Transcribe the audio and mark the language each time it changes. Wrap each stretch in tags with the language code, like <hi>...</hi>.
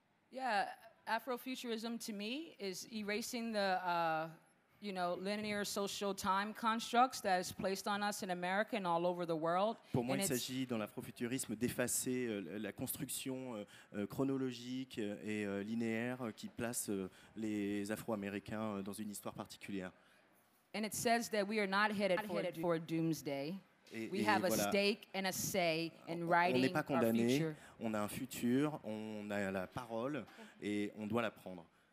<en>Yeah, afrofuturism to me is erasing the linear social time constructs that is placed on us in America and all over the world.</en> <fr>Pour moi, il s'agit dans l'afrofuturisme d'effacer la construction chronologique et linéaire qui place les Afro-Américains dans une histoire particulière.</fr> <en>And it says that we are not headed for doomsday. We have a stake and a say in writing.</en> <fr>On n'est pas condamné. On a un futur. On a la parole et on doit la prendre.</fr>